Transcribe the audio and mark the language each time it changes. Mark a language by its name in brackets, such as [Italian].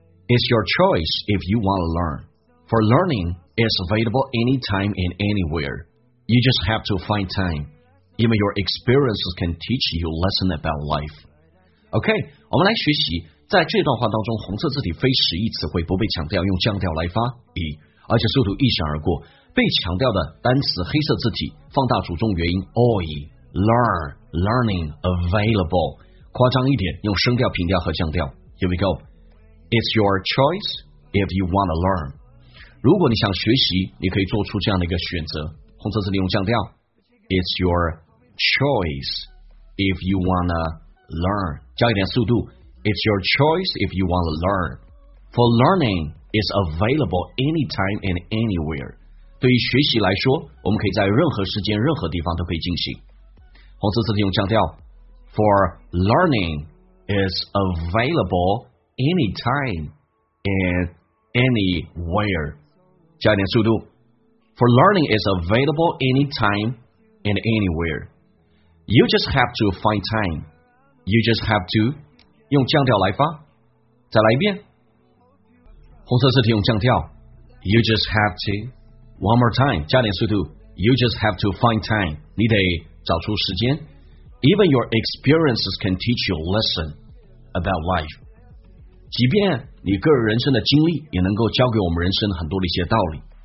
[English] It's your choice if you want to learn. For learning, it's available anytime and anywhere. You just have to find time. Even your experiences can teach you lesson about life. [Chinese] OK， 我们来学习在这段话当中，红色字体非实义词汇不被强调，用降调来发音，而且速度一闪而过。被强调的单词黑色字体放大主重元音 oi learn learning available， 夸张一点，用升调、平调和降调。 [English] Here we go. It's your choice if you want to learn. [Chinese] 如果你想学习，你可以做出这样的一个选择。红色字体用降调。 [English] It's your choice if you want to learn. [Chinese] 加一点速度。 [English] It's your choice if you want to learn. For learning, it's available anytime and anywhere. [Chinese] 对于学习来说，我们可以在任何时间、任何地方都可以进行。红色字体用降调。 [English] For learning, it's available anytime and anywhere. [Chinese] 加一点速度。 [English] For learning, it's available anytime and anywhere. You just have to find time. You just have to... [Chinese] 用降调来发，再来一遍。红色字体用降调。 [English] You just have to, one more time, [Chinese] 加点速度。 [English] You just have to find time, [Chinese] 你得找出时间。 [English] Even your experiences can teach you a lesson about life. [Chinese] 即便你个人人生的经历也能够教给我们人生很多的一些道理。